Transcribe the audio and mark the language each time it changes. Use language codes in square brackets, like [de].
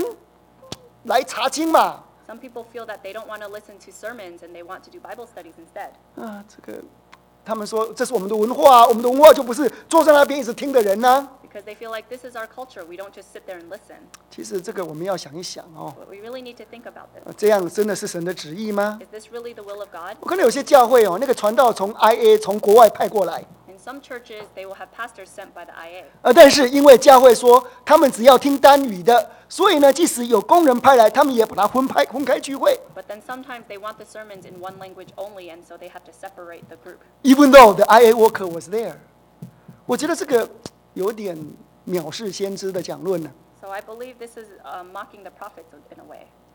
[zh] 有些弟兄姐妹反映，哎呀，我们不要天到晚听讲台的信息了，我们哦那个一天的时间哦，我们来查经嘛。 [en] Some people feel that they don't want to listen to sermons and they want to do Bible studies instead. [zh] 啊，这个，他们说这是我们的文化啊，我们的文化就不是坐在那边一直听的人呢。 [en] Because they feel like this is our culture, we don't just sit there and listen. [zh] 其实这个我们要想一想哦。 [en] But we really need to think about this. [zh] 这样真的是神的旨意吗？ [en] Is this really the will of God? [zh] 我看到有些教会哦，那个传道从 IA 从国外派过来。 [en] In some churches, they will have pastors sent by the IA. [zh] 但是因为教会说他们只要听单语的。所以呢，即使有工人派来，他们也把它分开聚会。 [en] But then sometimes they want the sermons in one language only, and so they have to separate the group. Even though the IA worker was there, [zh] 我觉得这个有点藐视先知的讲论呢。 [en] So I believe this is mocking the prophets in a way.